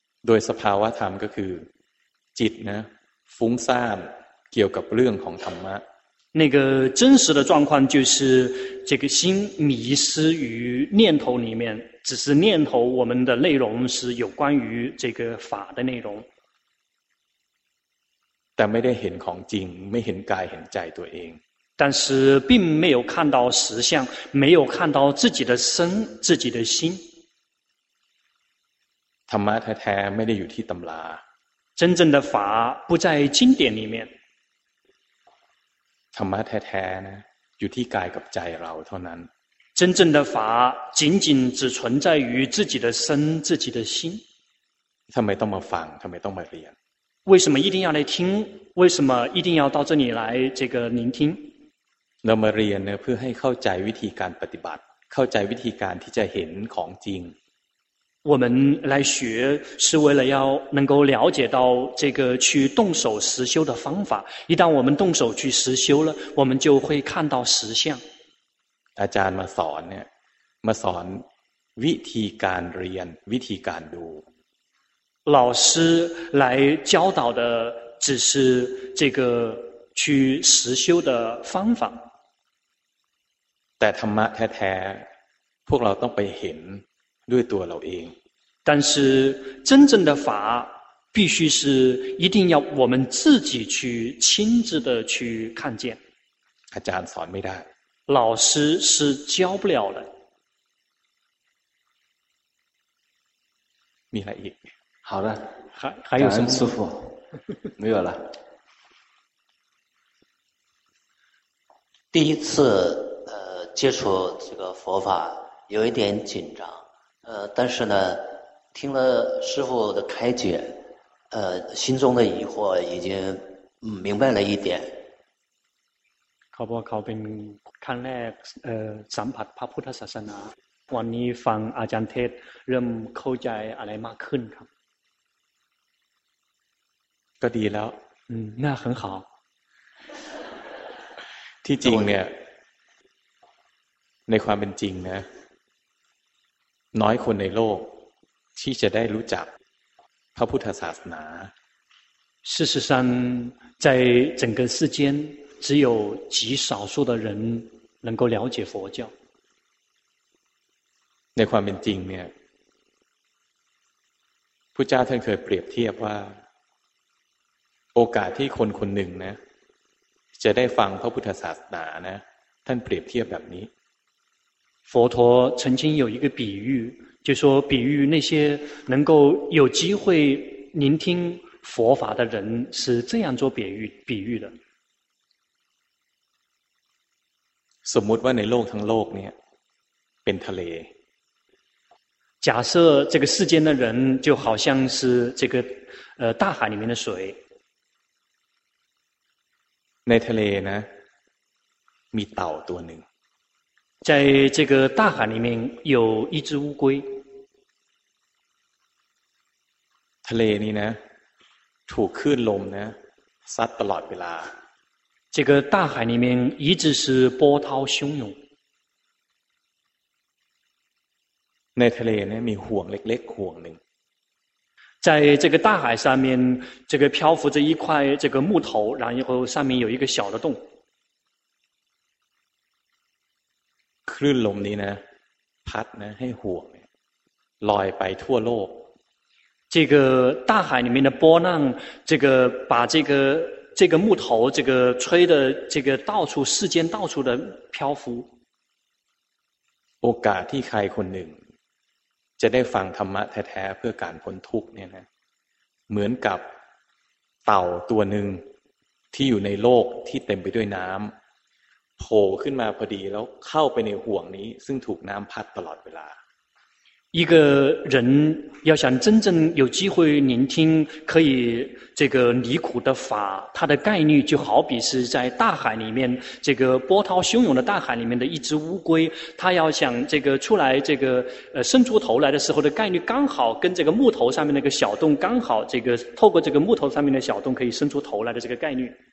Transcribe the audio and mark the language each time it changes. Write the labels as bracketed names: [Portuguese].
[Thai] ดยสภาวะธรรมก็คือจิตนะฟุ้งซ่านเกี่ยวกับเรื่องของธรรมะ [Chinese] 那个真实的状况就是这个心迷失于念头里面只是念头我们的内容是有关于这个法的内容 [Thai] 但ไม่ได้เห็นของจริงไม่เห็นกายเห็นใจตัวเอง [Chinese] 但是并没有看到实相没有看到自己的身自己的心 [Thai] ธรรมะแท้ๆไม่ได้อยู่ที่ตำรา [Chinese] 真正的法不在经典里面 [Thai] ธรรมะแท้ๆนะอยู่ที่กายกับใจเราเท่านั้น [Chinese] 真正的法仅仅只存在于自己的身自己的心 [Thai] ทำไมต้องมาฟังทำไมต้องมาเรียน [Chinese] 为什么一定要来听为什么一定要到这里来这个聆听 [Thai] เรามาเรียนเพื่อให้เข้าใจวิธีการปฏิบัติเข้าใจวิธีการที่จะเห็นของจริง [Chinese] 我们来学是为了要能够了解到这个去动手实修的方法一旦我们动手去实修了我们就会看到实相 [Thai] อาจารย์มาสอนเนี่ยมาสอนวิธีการเรียนวิธีการดู [Chinese] 老师来教导的只是这个去实修的方法 [Thai] แต่ธรรมะแท้ๆพวกเราต้องไปเห็นด้วยตัวเราเอง [Chinese] 但是真正的法必须是一定要我们自己去亲自的去看见 [Thai] อาจารย์สอนไม่ได้ [Chinese] 老师是教不了的 [Thai] มีอะไรอีก [Chinese] 好的还有什么师父没有了第一次接触这个佛法有一点紧张但是呢听了师父的开解心中的疑惑已经明白了一点 [Thai] เขาบอกเขาเป็นครั้งแรกสัมผัสพระพุทธศาสนาวันนี้ฟังอาจารย์เทศเริ่มเข้าใจอะไรมากขึ้นครับ ก็ดีแล้ว [Chinese] น่า很好 [Thai] ที่จริงเนี่ยในความเป็นจริงนะน้อยคนในโลกที่จะได้รู้จักพระพุทธศาสนา [Chinese] 事实上在整个世间只有极少数的人能够了解佛教 [Thai] ในความเป็นจริงเนี่ยพุทธเจ้าท่านเคยเปรียบเทียบว่าโอกาสที่คนคนหนึ่งนะจะได้ฟังพระพุทธศาสนานะท่านเปรียบเทียบแบบนี้ [Chinese] 佛陀曾经有一个比喻就说比喻那些能够有机会聆听佛法的人是这样做比喻的 [Thai] สมมติว่าในโลกทั้งโลกเนี่ยเป็นทะเล [Chinese] 假设这个世间的人就好像是这个大海里面的水 [Thai] ในทะเลนะมีเต่าตัวหนึ่ง [Chinese] 在这个大海里面有一只乌龟 [Thai] ทะเลนี้นะถูกคลื่นลมนะซัดตลอดเวลา [Chinese] 这个大海里面一直是波涛汹涌 [Thai] ในทะเลนะมีห่วงเล็กๆห่วงหนึ่ง [Chinese] 在这个大海上面这个漂浮着一块这个木头然后上面有一个小的洞 [Thai] คลื่นลมนี้นะพัดนะให้ห่วงลอยไปทั่วโลก [Chinese] 这个大海里面的波浪这个把这个木头这个吹的这个到处世间到处的漂浮 [Thai] โอกาสที่ใครคนหนึ่งจะได้ฟังธรรมะแท้ๆเพื่อการพ้นทุกข์เนี่ยนะเหมือนกับเต่าตัวหนึ่งที่อยู่ในโลกที่เต็มไปด้วยน้ำโผล่ขึ้นมาพอดีแล้วเข้าไปในห่วงนี้ซึ่งถูกน้ำพัดตลอดเวลา [Chinese] 一个人要想真正有机会聆听可以这个离苦的法它的概率就好比是在大海里面这个波涛汹涌的大海里面的一只乌龟它要想这个出来这个伸出头来的时候的概率刚好跟这个木头上面那个小洞刚好这个透过这个木头上面的小洞可以伸出头来的这个概率